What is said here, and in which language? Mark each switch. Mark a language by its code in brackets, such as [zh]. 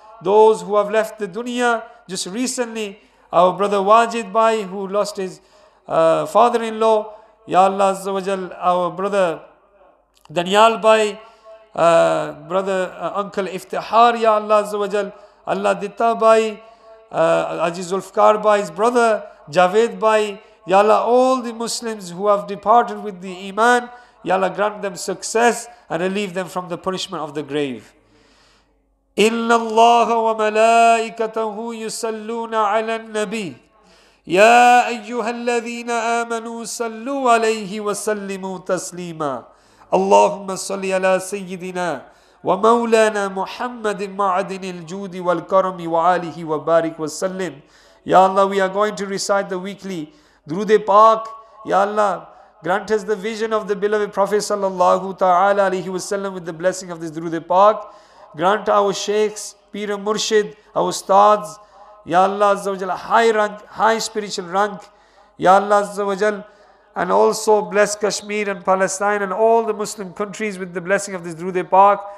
[en] Those who have left the dunya just recently, our brother Wajid Bhai, who lost his father-in-law, Ya Allah Azza wa Jal, our brother Daniel Bhai, brother Uncle Iftihar, Ya Allah Azza wa Jal, Allah Ditta Bhai, Ajiz Ulfkar Bhai's brother, Javed Bhai, Ya Allah, all the Muslims who have departed with the Iman, Ya Allah, grant them success and relieve them from the punishment of the grave. [ar] إن الله وملائكته يصلون على النبي يا أيها الذين آمنوا صلوا عليه وسلموا تسليما اللهم صل على سيدنا ومولانا محمد معدن الجود والكرم وعاله وبارك وسلم. [en] Ya Allah, we are going to recite the weekly درود پاک. Ya Allah, grant us the vision of the beloved Prophet sallallahu ta'ala alayhi wa sallam with the blessing of this درود پاک. Grant our sheikhs, Peer and Murshid, our ustads, Ya Allah Azza wa Jal, high rank, high spiritual rank, Ya Allah Azza wa Jal, and also bless Kashmir and Palestine and all the Muslim countries with the blessing of this Durood-e Pak.